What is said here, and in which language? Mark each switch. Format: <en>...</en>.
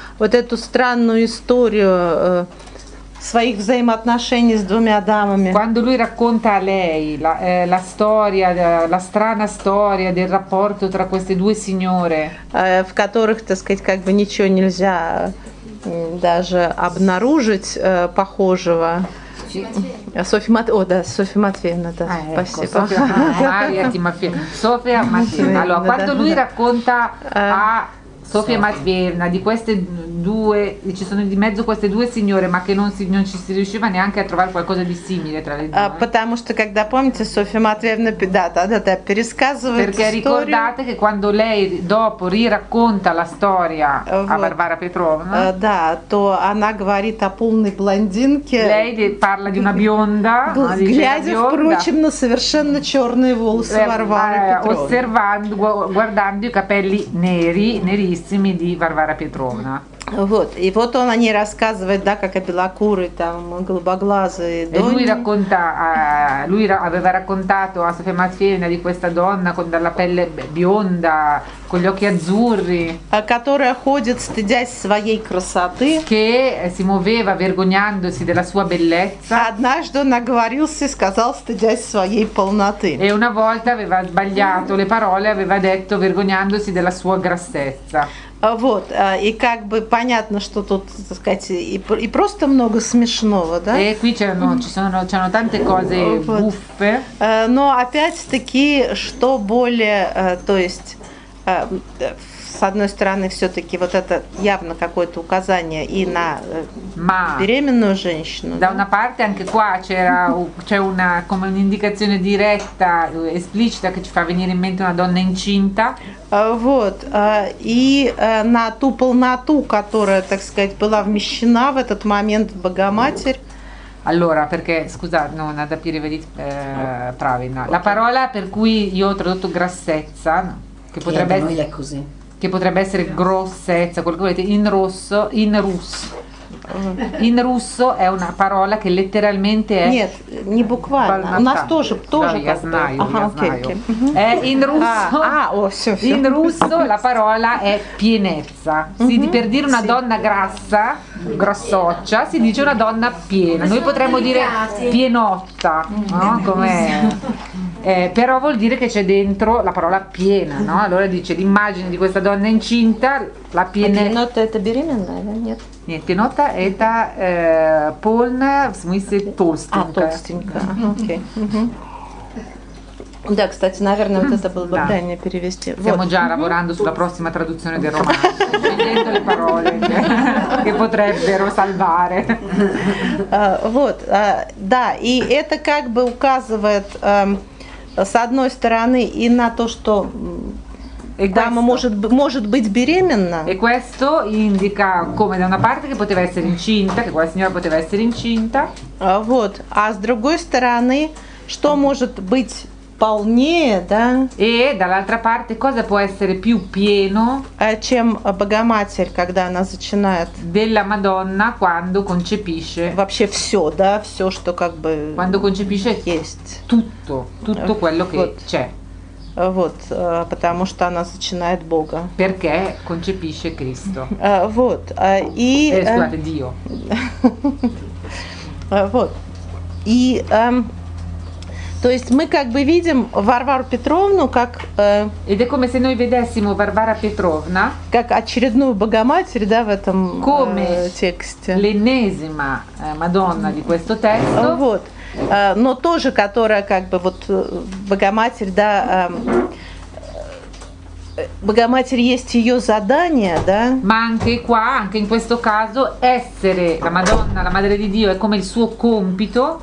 <ru>Вот эту странную историю своих взаимоотношений с двумя дамами.</ru> <it>Quando lui racconta a lei la storia, la strana storia del rapporto tra queste due signore,</it> <ru>в которых, так сказать, как бы ничего нельзя даже обнаружить похожего. Софья Матвеевна, да, Софья Матвеевна, да, спасибо. Софья Матвеевна. Софья Матвеевна.</ru> <it>Quando lui racconta a Sofia e Matveevna, di queste due, ci sono di mezzo queste due signore, ma che non ci si riusciva neanche a trovare qualcosa di simile tra le due.</it> <ru>Потому что, когда помните, Софья Матвеевна, да, пересказывает историю.</ru> <it>Perché ricordate che quando lei dopo riracconta la storia a Варвара Петровна,</it> <ru>да, то она говорит о полной блондинке.</ru> <it>Lei parla di una bionda,</it> <ru>глядя, впрочем, на совершенно черные волосы Варвары Петровны.</ru> <it>Osservando, guardando i capelli neri, нерисими di Варвара Петровна.</it> <ru>Вот, и вот он о ней рассказывает, да, как о белокурой, там, голубоглазой донне.</ru> <it>Lui racconta, lui aveva raccontato a Sofia Matveevna di questa donna con dalla pelle bionda, con gli occhi azzurri.</it> <ru>Которая ходит, стыдясь своей красоты.</ru> <it>Che si muoveva vergognandosi della sua bellezza.</it> <ru>Однажды наговорился и сказал, стыдясь своей полноты.</ru> <it>E una volta aveva sbagliato le parole, aveva detto vergognandosi della sua grassezza.</it> <ru>Вот, и как бы понятно, что тут, так сказать, и просто много смешного, да?</ru> <it>E qui c'erano tante cose buffe.</it> <ru>Но опять-таки, что более, то есть, с одной стороны, все-таки вот это явно какое-то указание и на беременную женщину.</ru> <it>Da una parte anche qua c'è una come un'indicazione diretta, esplicita, che ci fa venire in mente una donna incinta.</it> <ru>Вот, и на ту полноту, которая, так сказать, была вмещена в этот момент в Богоматерь.</ru> <it>Allora, perché, scusa, non ad apirivedit pravina. La parola per cui io ho tradotto grassezza, che potrebbe essere, è così. Che potrebbe essere grossezza, quello che volete, in rosso, in russo. In russo è una parola che letteralmente è.</it> <ru>Нет, не буквально. У нас тоже, тоже я знаю, я знаю.</ru> <it>È in russo. In russo la parola è pienezza. Si, per dire una donna grassa, grossoccia, si dice una donna piena. Noi potremmo dire pienotta, no? Com'è? Però vuol dire che c'è dentro la parola piena, no? Allora dice l'immagine di questa donna incinta, la piena. Pienotta è</it> <ru>беременна,</ru> <it>eh?</it> <ru>Нет. Нет, пенота – это полная, в смысле толстенькая. А, толстенькая, окей. Да, кстати, наверное, вот это было бы правильнее перевести.</ru> <it>Siamo già lavorando sulla prossima traduzione del romanzo, scegliendo le parole che potrebbero salvare.</it> <ru>Вот, да, и это как бы указывает, с одной стороны, и на то, что...</ru> <it>E questo, dama</it> <ru>может быть беременна.</ru> <it>E questo indica come da una parte che poteva essere incinta, che quella signora poteva essere incinta.</it> <ru>Вот. А с другой стороны, что может быть полнее, да?</ru> <it>E dall'altra parte cosa può essere più pieno?</it> <ru>Чем Богоматерь, когда она зачинает.</ru> <it>Della Madonna quando concepisce.</it> <ru>Вообще все, да, все, что как бы.</ru> <it>Quando concepisce есть. Тутто quello che вот. C'è.</it> <ru>Вот, потому что она зачинает Бога.</ru> <it>Perché concepisce Cristo.</it> <ru>Вот, и...</ru> <it>Scusate, Dio.</it> <ru>Вот, и... То есть мы как бы видим Варвару Петровну как...</ru> <it>Ed è come se noi vedessimo Варвара Петровна.</it> <ru>Как очередную Богоматерь, да, в этом тексте.</ru> <it>Come l'ennesima Madonna di questo testo.</it> <ru>Вот. Но тоже, которая как бы вот Богоматерь, да, Богоматерь есть ее задание, да?</ru> <it>Ma anche qua, anche in questo caso, essere la Madonna, la Madre di Dio, è come il suo compito.</it>